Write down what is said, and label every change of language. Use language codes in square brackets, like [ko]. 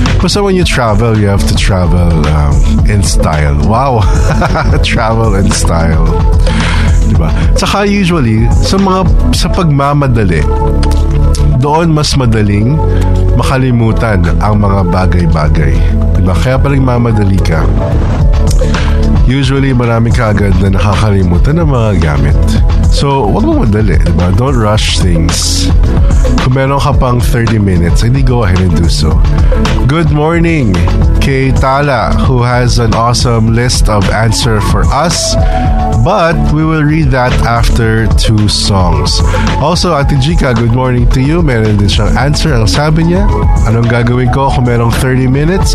[en] Kasi when you travel, you have to travel in style. Wow! Travel in style. Diba? [tl] Tsaka usually, sa pagmamadali, doon mas madaling makalimutan ang mga bagay-bagay. Diba? Kaya palang mamadali ka, usually marami ka agad na nakakalimutan ang mga gamit. So, huwag mo madali. Diba? [en] Don't rush things. [tl] Kung meron ka pang 30 minutes, hindi [en] go ahead and do so. Good morning kay Tala, who has an awesome list of answer for us. But we will read that after two songs. Also, Ate Jika, good morning to you. [tl] Meron din siyang answer. Ang sabi niya, anong gagawin ko kung merong 30 minutes?